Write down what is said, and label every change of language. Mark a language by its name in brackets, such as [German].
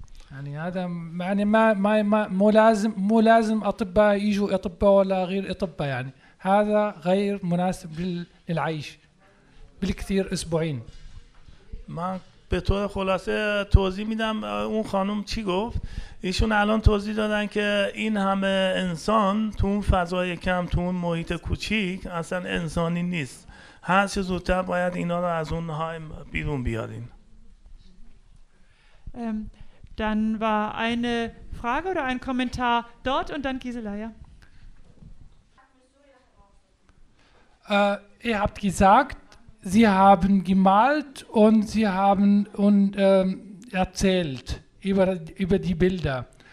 [Arabic] يعني هذا يعني مو لازم أطباء يجوا أطباء ولا غير أطباء يعني هذا غير مناسب للعيش بالكثير أسبوعين. [Persian] ما به طور خلاصه توضیح میدم اون خانم چی گفت. ایشون الان توضیح دادن که این همه انسان تو اون فضای کم تو اون محیط کوچیک اصلا انسانی نیست. هر چه زودتر باید اینا رو از اون هایم بیرون بیارین. [German] Dann war eine Frage oder ein Kommentar dort und dann Gisela, ja. Ihr habt gesagt, Sie haben gemalt und Sie haben erzählt über die Bilder.